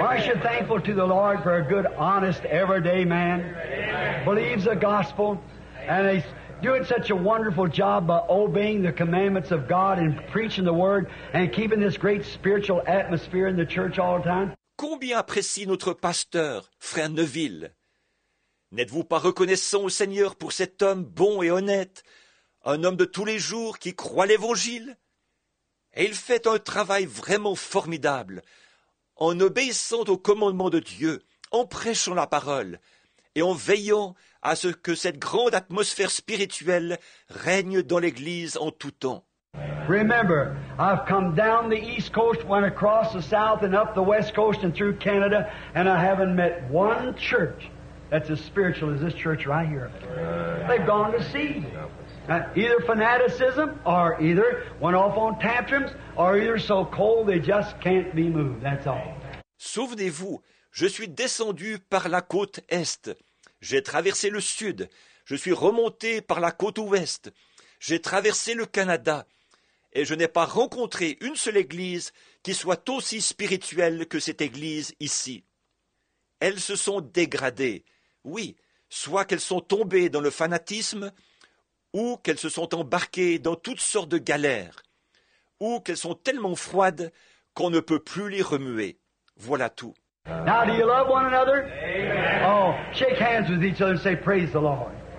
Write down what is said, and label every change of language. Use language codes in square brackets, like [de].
[en] Aren't you thankful to the Lord for a good, honest, everyday man? Amen. Believes the gospel, and he's doing such a wonderful job by obeying the commandments of God and preaching the word and keeping this great spiritual atmosphere in the church all the time. [fr] Combien apprécie notre pasteur, Frère Neville? N'êtes-vous pas reconnaissant au Seigneur pour cet homme bon et honnête, un homme de tous les jours qui croit l'Évangile? Et il fait un travail vraiment formidable, en obéissant aux commandements de Dieu, en prêchant la parole, et en veillant à ce que cette grande atmosphère spirituelle règne dans l'Église en tout temps. [en] Remember, I've come down the East Coast, went across the South and up the West Coast and through Canada, and I haven't met one church that's as spiritual as this church right here. They've gone to see you. Either fanaticism, or either went off on tantrums, or either so cold they just can't be moved. That's all. [fr] Souvenez-vous, je suis descendu par la côte est. J'ai traversé le sud. Je suis remonté par la côte ouest. J'ai traversé le Canada. Et je n'ai pas rencontré une seule église qui soit aussi spirituelle que cette église ici. Elles se sont dégradées. Oui, soit qu'elles sont tombées dans le fanatisme, ou qu'elles se sont embarquées dans toutes sortes de galères, ou qu'elles sont tellement froides qu'on ne peut plus les remuer. Voilà tout. [en] Now, do you love one another? Amen. Oh, shake hands with each other and say, praise the Lord.